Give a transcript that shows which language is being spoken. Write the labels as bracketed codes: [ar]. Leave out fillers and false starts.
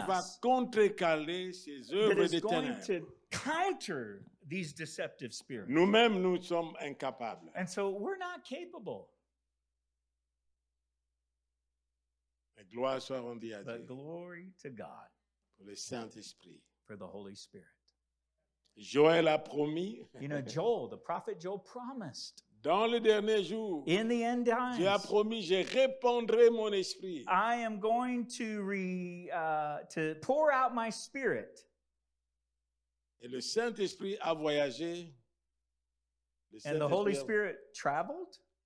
[fr] Qui va contrecarrer ces œuvres de ténèbres. [en] That is going to counter these deceptive spirits. [fr] Nous-mêmes, nous sommes incapables. [en] And so we're not capable. [fr] Gloire soit rendue à [en] but [fr] Dieu. [en] But glory to God. [fr] Pour le Saint-Esprit. [en] For the Holy Spirit. [fr] Joël a promis. [en] You know, Joel, the prophet Joel promised. [fr] Dans les derniers jours. [en] In the end times. [fr] Dieu a promis, je répandrai mon esprit. [en] I am going to to pour out my spirit. [fr] Et le Saint-Esprit a voyagé. [en] And the Holy Spirit traveled.